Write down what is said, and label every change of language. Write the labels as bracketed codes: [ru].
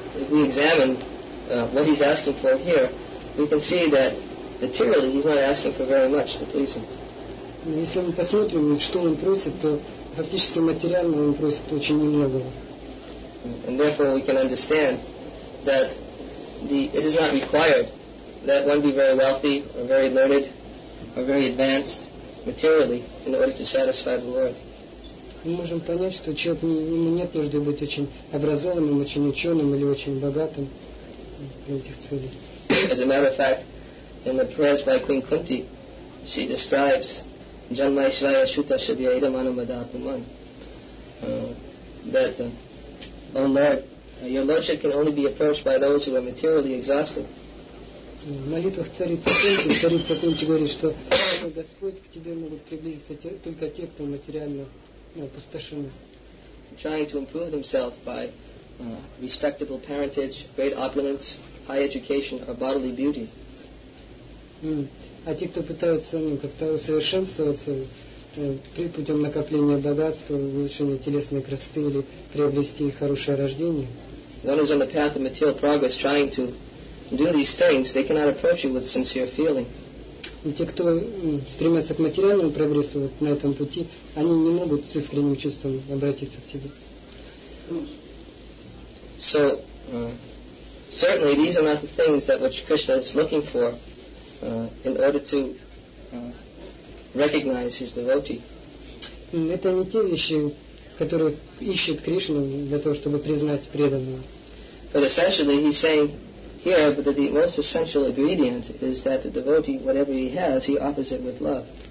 [en] We examine what he's asking for here, we can see that materially he's not asking for very much to please him. [ru] Если мы посмотрим, что он просит, то фактически материально он просит очень немного. [en] And therefore we can understand that it is not required that one be very wealthy or very learned or very advanced materially in order to satisfy the Lord. [ru] Мы можем понять, что человек, ему нет нужды быть очень образованным, очень ученым или очень богатым. [en] As a matter of fact, in the prayers by Queen Kunti, she describes Janmaishvaya Shuta Shabya Idamana Madhapuman that, O Lord, your Lordship can only be approached by those who are materially exhausted. [ru] В молитвах царица Кунти говорит, что Господь к тебе могут приблизиться только те, кто материально опустошены. [en] Trying to improve themselves by respectable parentage, great opulence, high education, or bodily beauty. [ru] А те, кто пытаются как-то усовершенствоваться путем накопления богатства, улучшения телесной красоты или приобрести хорошее рождение. [en] One who's on the path of material progress, trying to do these things, they cannot approach you with sincere feeling. [ru] И те, кто стремятся к материальному прогрессу вот на этом пути, они не могут с искренним чувством обратиться к тебе. [en] So, certainly these are not the things that which Krishna is looking for in order to recognize his devotee. [ru] Это не те вещи, которые ищет Кришна для того, чтобы признать преданного. [en] But essentially he's saying here that the most essential ingredient is that the devotee, whatever he has, he offers it with love.